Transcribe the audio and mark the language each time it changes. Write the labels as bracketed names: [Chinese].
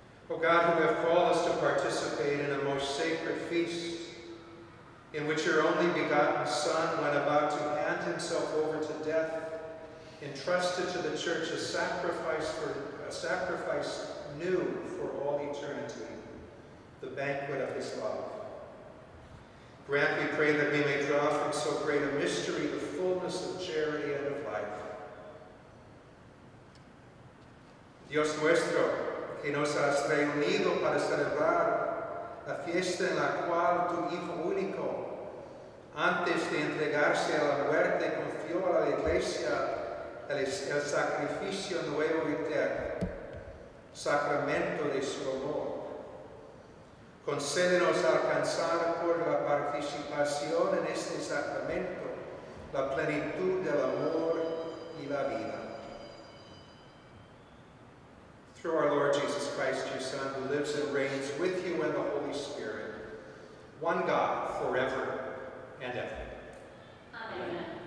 [English] O God, who have called us to participate in a most sacred feast, in which your only begotten Son went about to hand himself over to death, entrusted to the church a sacrifice new for all eternity, the banquet of his love. Grant, we pray, that we may draw from so great a mystery the fullness of charity and of life. [Spanish] Dios nuestro, que nos has reunido para celebrar la fiesta en la cual tu Hijo único, antes de entregarse a la muerte, confió a la Iglesia el sacrificio nuevo y eterno, sacramento de su amor. Concédenos alcanzar por la participación en este sacramento la plenitud del amor y la vida. [English] Through our Lord Jesus Christ, your Son, who lives and reigns with you in the Holy Spirit, one God, forever and ever. Amen.